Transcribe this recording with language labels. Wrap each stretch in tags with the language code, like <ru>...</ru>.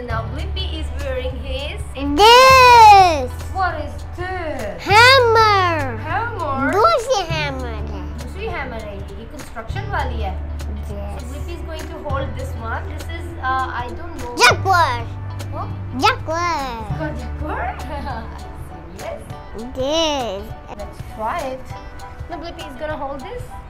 <en>Now Blippi is wearing his. This. What is this? Hammer. Hammer.</en> <hi>दूसरी hammer. दूसरी hammer है. ये construction वाली है.</hi> <en>Yes. So Blippi is going to hold this one. This is I don't know. Jaguar. What? Jaguar. Jaguar. Yes. Yes. Let's try it. Now Blippi is gonna hold this.</en>